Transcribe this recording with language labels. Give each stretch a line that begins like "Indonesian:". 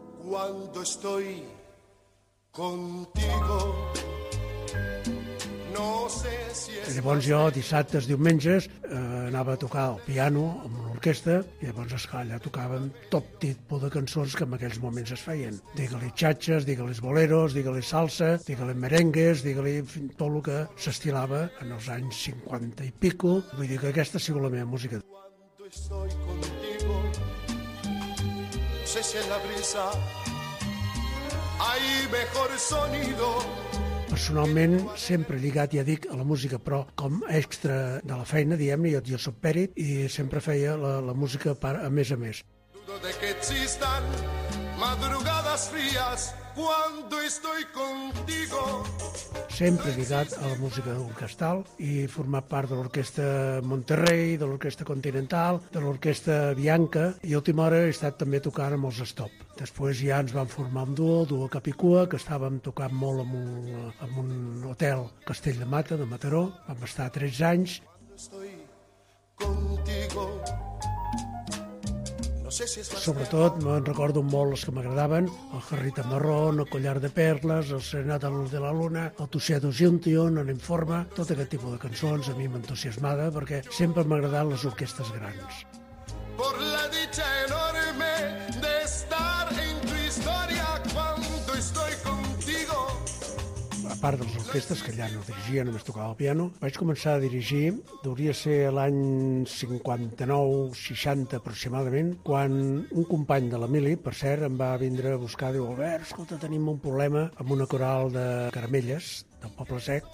Spanish: Cuando estoy contigo, no
Catalan: Llavors jo dissabtes, diumenges, anava a tocar el piano amb l'orquestra i llavors, esclar, allà tocaven tot tipus de cançons que en aquells moments es feien. Digue-li xatxes, digue-li boleros, digue-li salsa, digue-li merengues, digue-li tot el que s'estilava en els anys 50 i pico. Vull dir que aquesta ha sigut la meva música.
Spanish: Cuando estoy contigo, se siente la brisa, hay mejor sonido.
Catalan: Personalment, sempre lligat, ja dic, a la música, però com extra de la feina, diem-ne, jo soc pèrit i sempre feia la música per, a més a més.
Spanish: Dudo de que existan madrugadas frías cuando estoy contigo.
Catalan: Sempre lligat a la música orquestal i format part de l'Orquestra Monterrey, de l'Orquestra Continental, de l'Orquestra Bianca, i a última hora he estat també tocant amb els Stop. Després ja ens vam formar un duo Capicua, que estàvem tocant molt en un hotel Castell de Mata, de Mataró. Vam estar 13 anys.
Spanish: Estoy contigo.
Catalan: Sobretot me'n recordo molt les que m'agradaven: el Jarrita Marrón, el Collar de Perles, el Serenata de la Luna, el Tuxedo Junction, el Informa, tot aquest tipus de cançons a mi m'entusiasmava perquè sempre m'ha agradat les orquestes grans.
Spanish: Por la dicha enorme de estar en tu historia cuando estoy contigo.
Catalan: A part de les orquestes, que allà no dirigia, només tocava el piano, vaig començar a dirigir, devia ser l'any 59-60 aproximadament, quan un company de l'Emili, per cert, em va vindre a buscar, diu: Albert, escolta, tenim un problema amb una coral de Caramelles, del Poble Sec.